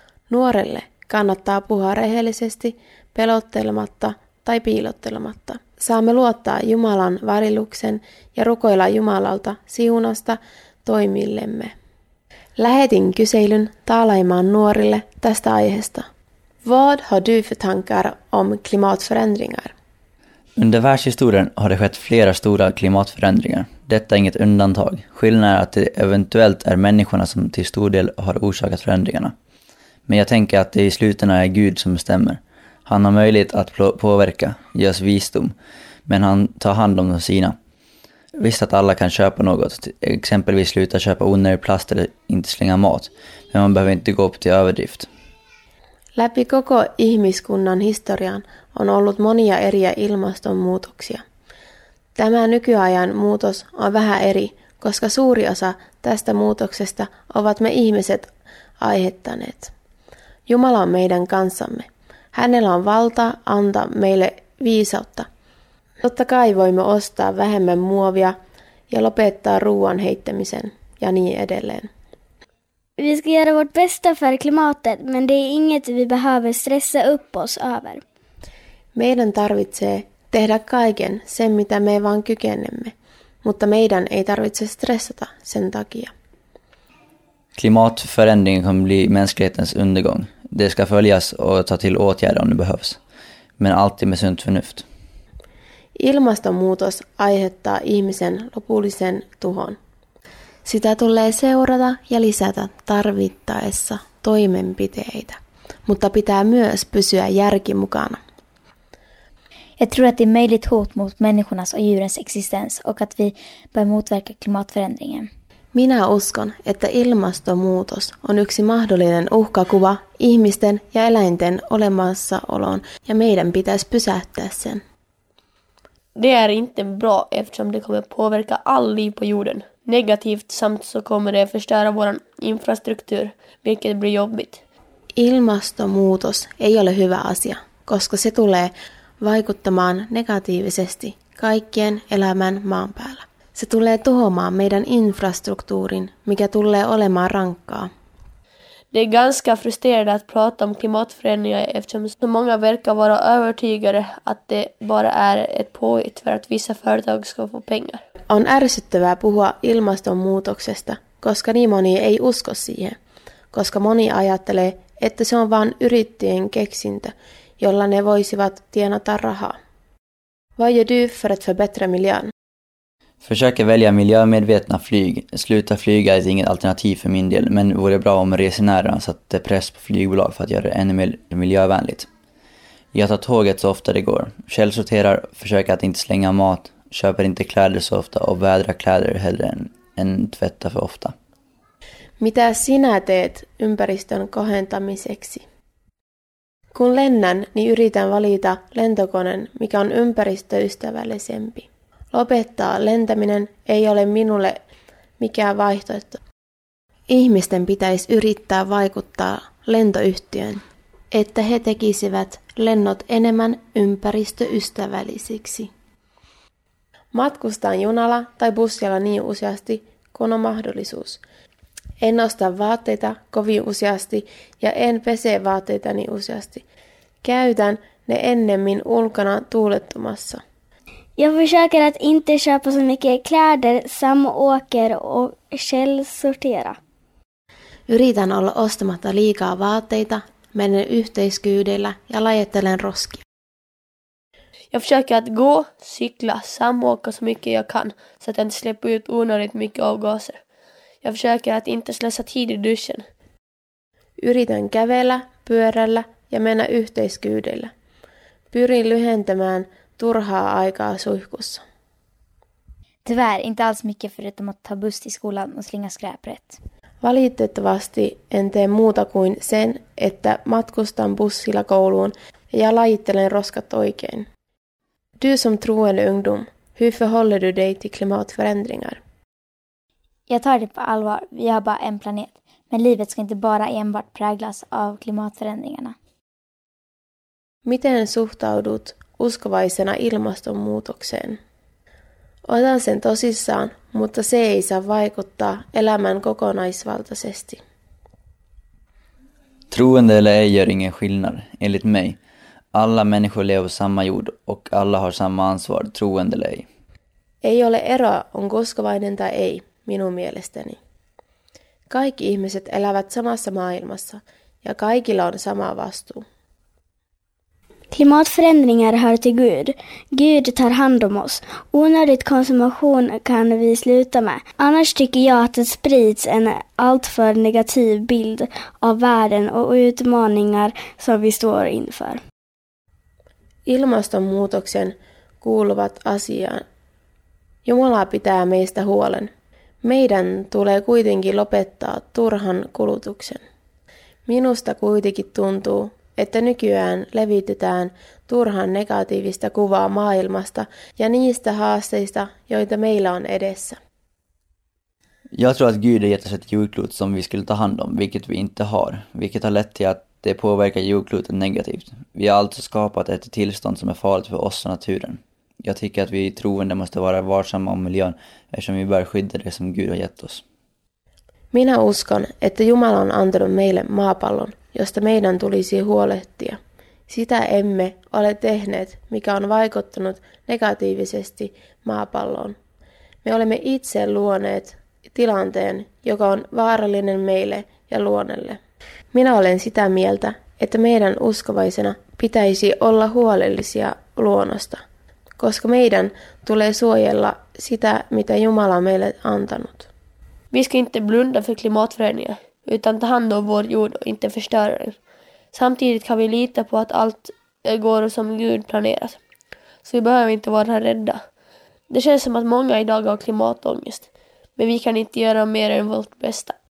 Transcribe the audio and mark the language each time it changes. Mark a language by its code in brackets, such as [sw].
[fi] Nuorelle kannattaa puhua rehellisesti, pelottelematta tai piilottelematta. Saamme luottaa Jumalan varilluksen ja rukoilla Jumalalta siunasta toimillemme. Lähetin kyselyn Taalaimaan nuorille tästä aiheesta. [sv] Vad har du för tankar om klimatförändringar? Under världshistorien har det skett flera stora klimatförändringar. Detta är inget undantag. Skillnaden är att det eventuellt är människorna som till stor del har orsakat förändringarna. Men jag tänker att det i slutändan är Gud som bestämmer. Han har möjlighet att påverka, ge oss visdom, men han tar hand om de sina. Visst att alla kan köpa något, exempelvis sluta köpa onödig plast eller inte slänga mat, men man behöver inte gå upp till överdrift. [fi] Läpi koko ihmiskunnan historian on ollut monia eri ilmastonmuutoksia. Tämä nykyajan muutos on vähän eri, koska suuri osa tästä muutoksesta ovat me ihmiset aiheuttaneet. Jumala on meidän kanssamme. Hänellä on valta antaa meille viisautta. Totta kai voimme ostaa vähemmän muovia ja lopettaa ruoan heittämisen ja niin edelleen. [sv] Vi ska göra vårt bästa för klimatet, men det är inget vi behöver stressa upp oss över. [fi] Meidän tarvitsee tehdä kaiken sen, mitä me vaan kykenemme, mutta meidän ei tarvitse stressata sen takia. [sv] Klimatförändringen kommer bli mänsklighetens undergång. Det ska följas och ta till åtgärder om det behövs, men alltid med sunt förnuft. [fi] Ilmastonmuutos aiheuttaa ihmisen lopullisen tuhon. Sitä tulee seurata ja lisätä tarvittaessa toimenpiteitä, mutta pitää myös pysyä järki mukana. [sv] Jag tror att det är möjligt hot mot människornas och djurens existens och att vi bör motverka klimatförändringen. [fi] Minä uskon, että ilmastonmuutos on yksi mahdollinen uhkakuva ihmisten ja eläinten olemassaoloon ja meidän pitäisi pysähtää sen. [sv] Det är inte bra eftersom det kommer påverka all liv på jorden. Negativt samt så kommer det förstöra vår infrastruktur, vilket blir jobbigt. [fi] Ilmastonmuutos ei ole hyvä asia, koska se tulee vaikuttamaan negatiivisesti kaikkien elämän maan päällä. Se tulee tuhoamaan meidän infrastruktuurin, mikä tulee olemaan rankkaa. [sv] Det är ganska frustrerande att prata om klimatförändringar eftersom så många verkar vara övertygade att det bara är ett påhitt för att vissa företag ska få pengar. [fi] On ärsyttävää puhua ilmastonmuutoksesta, koska niin moni ei usko siihen, koska moni ajattelee, että se on vain yrittäjien keksintö, jolla ne voisivat tienata rahaa. [sv] Vad gör du för att förbättra miljön? Försöker välja miljömedvetna flyg. Sluta flyga är inget alternativ för min del, men vore bra om resenärerna satte press på flygbolag för att göra det ännu mer miljövänligt. Jag tar tåget så ofta det går. Källsorterar, försöker att inte slänga mat. Köper inte kläder så ofta och vädra kläder hellre än tvätta för ofta. [fi] Mitä sinä teet ympäristön kohentamiseksi? Kun lennän, niin yritän valita lentokoneen, mikä on ympäristöystävällisempi. Lopettaa lentäminen ei ole minulle mikään vaihtoehto. Ihmisten pitäisi yrittää vaikuttaa lentoyhtiön, että he tekisivät lennot enemmän ympäristöystävällisiksi. Matkustan junalla tai bussilla niin useasti kuin on mahdollisuus. En nosta vaatteita kovin useasti ja en pese vaatteita niin useasti. Käytän ne ennemmin ulkona tuulettumassa. [sv] Jag försöker att inte köpa så mycket kläder, samåker och källsortera. [fi] Yritän olla ostamatta liikaa vaatteita, menen yhteiskyydellä ja lajettelen roskia. [sv] Jag försöker att gå, cykla, samåka så mycket jag kan så att jag inte släpper ut onödigt mycket avgaser. Jag försöker att inte slösa tid i duschen. [fi] Yritän kävellä, pyörällä ja mennä yhteiskyydellä. Pyrin lyhentämään turhaa aikaa suihkussa. [sv] Tyvärr, inte alls mycket förutom att ta buss till skolan och slinga skräpret. [fi] Valitettavasti en tee muuta kuin sen, että matkustan bussilla kouluun ja lajittelen roskat oikein. [sv] Du som troende ungdom, hur förhåller du dig till klimatförändringar? Jag tar det på allvar. Vi har bara en planet. Men livet ska inte bara enbart präglas av klimatförändringarna. [fi] miten suhtaudut uskovaisena ilmastonmuutokseen? Otan sen tosissaan, mutta se ei saa vaikuttaa elämään kokonaisvaltaisesti. [sv] Troende eller ej gör ingen skillnad, enligt mig. Alla människor lever på samma jord och alla har samma ansvar, troende eller ej. [fi] Ei ole eroa, onko uskovainen tai ei, minun mielestäni. Kaikki ihmiset elävät samassa maailmassa ja kaikilla on sama vastuu. [sv] Klimatförändringar hör till Gud. Gud tar hand om oss. Onödig konsumtion kan vi sluta med. Annars tycker jag att det sprids en alltför negativ bild av världen och utmaningar som vi står inför. [fi] Ilmastonmuutoksen kuuluvat asiaan. Jumala pitää meistä huolen. Meidän tulee kuitenkin lopettaa turhan kulutuksen. Minusta kuitenkin tuntuu, että nykyään levitetään turhan negatiivista kuvaa maailmasta ja niistä haasteista, joita meillä on edessä. [sv] Jag tror att Gud har gett oss ett jordklot som vi skulle ta hand om, vilket vi inte har, vilket har lett till att det påverkar jordklotet negativt. Vi har alltså skapat ett tillstånd som är farligt för oss och naturen. Jag tycker att vi troende måste vara varsamma om miljön eftersom vi bör skydda det som Gud har gett oss. [fi] Minä uskon, että Jumala on antanut meille maapallon, josta meidän tulisi huolehtia. Sitä emme ole tehneet, mikä on vaikuttanut negatiivisesti maapalloon. Me olemme itse luoneet tilanteen, joka on vaarallinen meille ja luonnolle. Minä olen sitä mieltä, että meidän uskovaisena pitäisi olla huolellisia luonnosta, koska meidän tulee suojella sitä, mitä Jumala on meille antanut. [sv] Vi ska inte blunda för klimatförändringar, utan ta hand om vår jord och inte förstöra den. Samtidigt kan vi lita på att allt går som Gud planerat. Så vi behöver inte vara rädda. Det känns som att många idag har klimatångest, men vi kan inte göra mer än vårt bästa.